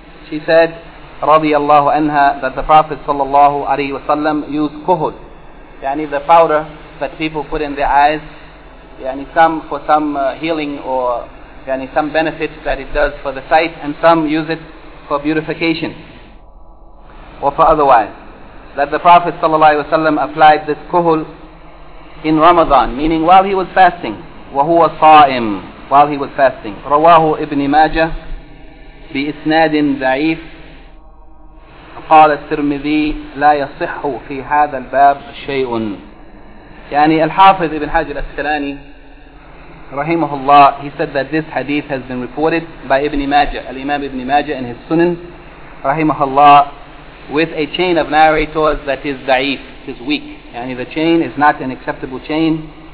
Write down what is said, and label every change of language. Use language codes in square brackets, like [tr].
[en] She said radiallahu anha that the Prophet sallallahu alayhi wa sallam used kuhud, yani the powder that people put in their eyes, yani some for some healing or yani some benefit that it does for the sight, and some use it for beautification or for otherwise. That the Prophet ﷺ applied this kuhul in Ramadan, meaning while he was fasting. [ar] وَهُوَ صَائِمْ [en] while he was fasting. [ar] رَوَاهُ إِبْنِ مَاجَةَ بِإِسْنَادٍ ضَعِيفٍ قال الترمذي لا يصح في هذا الباب شيء. [en] يعني الحافظ ابن حجر الأسقلاني رحمه الله, he said that this hadith has been reported by Ibn Majah, al-Imam Ibn Majah in his Sunan رحمه الله, with a chain of narrators that is ضعيف, is weak, يعني the chain is not an acceptable chain.